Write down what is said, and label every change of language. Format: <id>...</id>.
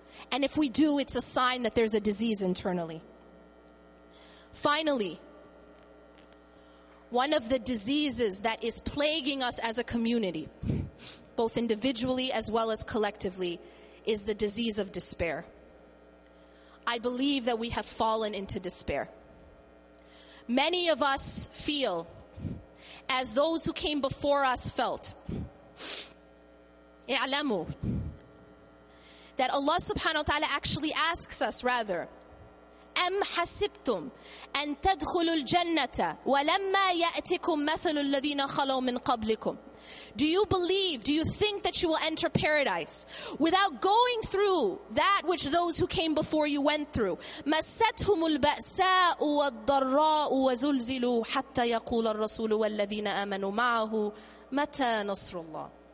<en>And if we do, it's a sign that there's a disease internally. Finally, one of the diseases that is plaguing us as a community, both individually as well as collectively, is the disease of despair. I believe that we have fallen into despair. Many of us feel as those who came before us felt.</en> <ar>اعلموا</ar> <en>that Allah subhanahu wa ta'ala actually asks us rather,</en> <ar>أَمْ حَسِبْتُمْ أَن تَدْخُلُوا الْجَنَّةَ وَلَمَّا يَأْتِكُمْ مَثَلُ الَّذِينَ خَلَوْا مِنْ قَبْلِكُمْ.</ar> <en>Do you believe, do you think that you will enter paradise without going through that which those who came before you went through?</en> <ar>مَسَّتْهُمُ الْبَأْسَاءُ وَالضَّرَّاءُ وَزُلْزِلُوا حَتَّى يَقُولَ الرَّسُولُ وَالَّذِينَ آمَنُوا مَعَهُ مَتَى نَصْرُ اللَّهِ.</ar>